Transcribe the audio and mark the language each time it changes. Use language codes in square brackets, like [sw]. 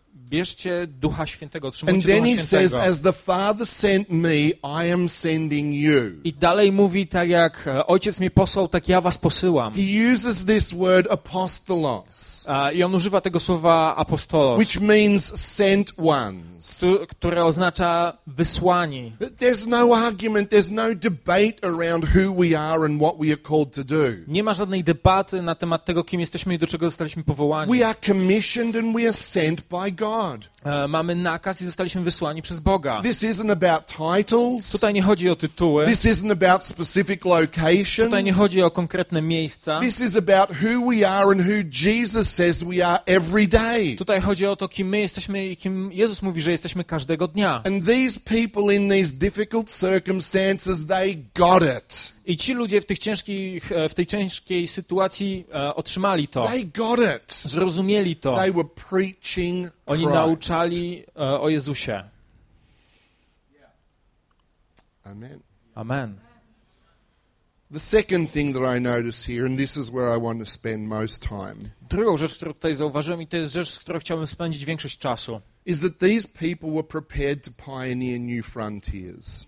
[pl] bierzcie Ducha Świętego, otrzymujcie Ducha Świętego. [en] And then he says, as the Father sent me, I am sending you. [pl] I dalej mówi, tak jak Ojciec mnie posłał, tak ja was posyłam. [en] He uses this word apostolos. [pl] I on używa tego słowa apostolos, [en] which means sent ones. [pl] Które oznacza wysłani. [en] There's no argument, there's no debate around who we are and what we are called to do. [pl] Nie ma żadnej debaty na temat tego, kim jesteśmy i do czego zostaliśmy powołani. [en] We are commissioned and we are sent by God. [pl] Mamy nakaz i zostaliśmy wysłani przez Boga. [en] This isn't about titles. [pl] Tutaj nie chodzi o tytuły. [en] This isn't about specific locations. [pl] Tutaj nie chodzi o konkretne miejsca. [en] This is about who we are and who Jesus says we are every day. [pl] Tutaj chodzi o to, kim my jesteśmy i kim Jezus mówi, że jesteśmy każdego dnia. [en] And these people in these difficult circumstances, they got it. [pl] I ci ludzie w tej ciężkiej sytuacji otrzymali to. [en] They got it. [pl] Zrozumieli to. [en] They were preaching Christ. [pl] Oni nauczali o Jezusie. [en] Amen. [pl] Amen. [en] The second thing that I notice here, and this is where I want to spend most time. [pl] Drugą rzecz, którą tutaj zauważyłem, i to jest rzecz, z którą chciałbym spędzić większość czasu. [en] Is that these people were prepared to pioneer new frontiers.